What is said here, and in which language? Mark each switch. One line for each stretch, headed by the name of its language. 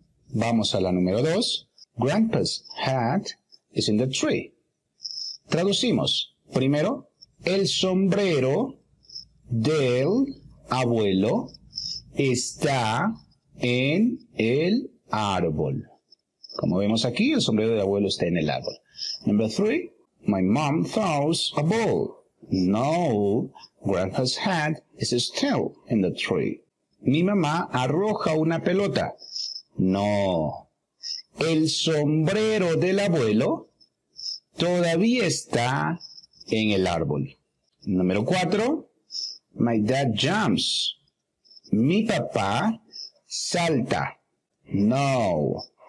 Spanish: Vamos a la número 2.
English: Grandpa's hat is in the tree. Traducimos.
Spanish: Primero, el sombrero del abuelo está en el árbol. Como vemos aquí, el sombrero de abuelo está en el árbol.
English: Number 3. My mom throws a ball. No, Grandpa's hat is still in the tree.
Spanish: Mi mamá arroja una pelota. No. El sombrero del abuelo todavía está en el árbol. Número 4.
English: My dad jumps.
Spanish: Mi papá salta. No.